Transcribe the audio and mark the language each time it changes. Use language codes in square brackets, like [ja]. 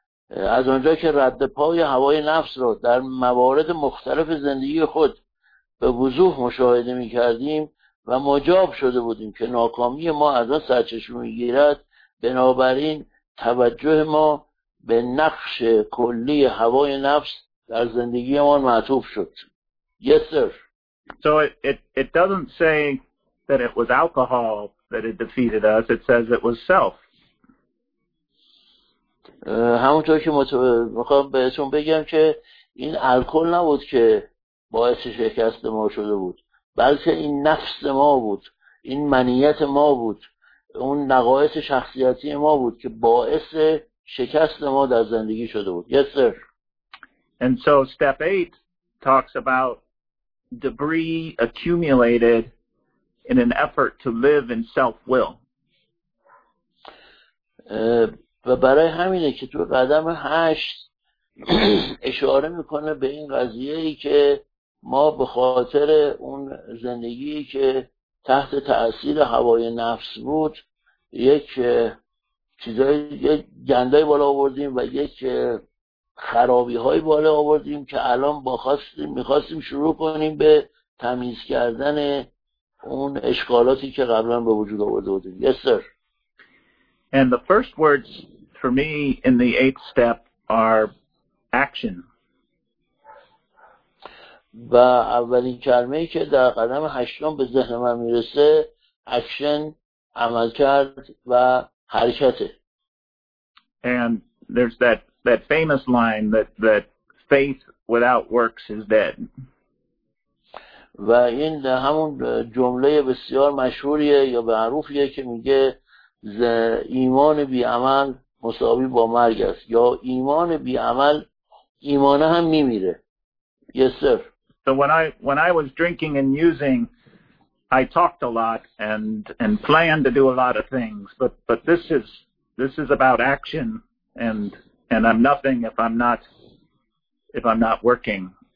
[fa] از اونجا که رد پای هوای نفس رو در موارد مختلف زندگی خود به وضوح مشاهده می کردیم و مجاب شده بودیم که ناکامی ما از آن سرچشمه می گیرد، بنابراین توجه ما به نقش کلی هوای نفس در زندگی ما معطوف شد. [en] Yes sir. So it doesn't say that it was alcohol that it defeated us, it says it was self. [fa] همونطور که میخوام بهتون بگم که این الکل نبود که باعث شکست ما شده بود، بلکه این نفس ما بود، این منیت ما بود، اون نقایص شخصیتی ما بود که باعث شکست ما در زندگی شده بود. [en] Yes sir. And so step 8 talks about debris accumulated in an effort to live in self-will. [fa] و برای همینه که تو قدم 8 اشاره میکنه به این قضیه ای که ما به خاطر اون زندگی که تحت تأثیر هوای نفس بود یک چیزای گندای بالا آوردیم و یک خرابی های بالا آوردیم که الان میخواستیم شروع کنیم به تمیز کردن اون اشکالاتی که قبلا به وجود آورده بودیم. [en] Yes, sir. And the first words for me in the eighth step are action. [fa] و اولین کلمه‌ای که در قدم هشتم به ذهن من میرسه اکشن، عمل کرد و حرکته. [en] And there's that famous line that faith without works is dead. [fa] و این همون جمله بسیار مشهوریه یا معروفیه که میگه ایمان بی عمل مساوی با مرگ است، یا ایمان بی عمل ایمانه هم میمیره. [en] Yes, sir. So when I was drinking and using, I talked a lot and planned to do a lot of things, but this is about action, and I'm nothing if I'm not working.